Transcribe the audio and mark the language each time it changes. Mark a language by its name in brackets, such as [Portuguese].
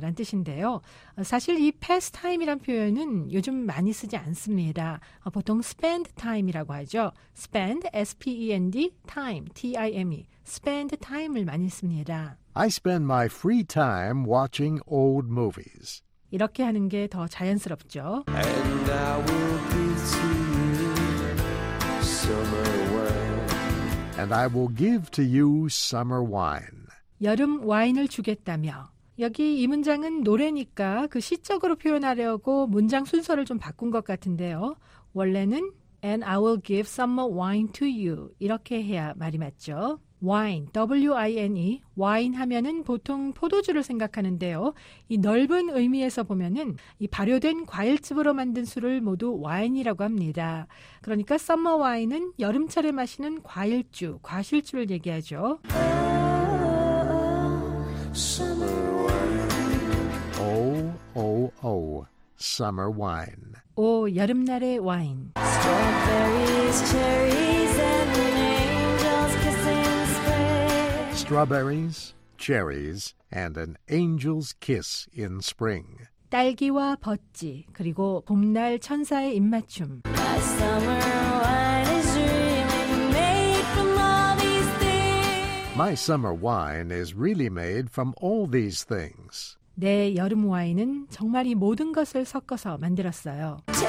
[Korean] 라는 뜻인데요. 사실 이 pass time이란 표현은 요즘 많이 쓰지 않습니다. 보통 spend time이라고 하죠. Spend, S-P-E-N-D, time, T-I-M-E. Spend time을 많이 씁니다. [English] I spend my free time watching old movies. [Korean] 이렇게 하는 게 더 자연스럽죠. [English] And I will be to you summer wine. And I will give to you summer wine. [Korean] 여름 와인을 주겠다며. 여기 이 문장은 노래니까 그 시적으로 표현하려고 문장 순서를 좀 바꾼 것 같은데요. 원래는 [English] And I will give summer wine to you. [Korean] 이렇게 해야 말이 맞죠. Wine, W-I-N-E, wine 하면은 보통 포도주를 생각하는데요. 이 넓은 의미에서 보면은 이 발효된 과일즙으로 만든 술을 모두 wine이라고 합니다. 그러니까 summer wine은 여름철에 마시는 과일주, 과실주를 얘기하죠. [English] Oh, oh, oh, summer wine. [Korean] 오, 여름날의 와인. Strawberries, [English] cherries, and an angel's kissing spray. Strawberries, cherries, and an angel's kiss in spring. [Korean] 딸기와 벚지, 그리고 봄날 천사의 입맞춤. [English] My summer wine is really made from all these things. My summer wine is really made from all these things. [Korean] 내 여름 와인은 정말 이 모든 것을 섞어서 만들었어요.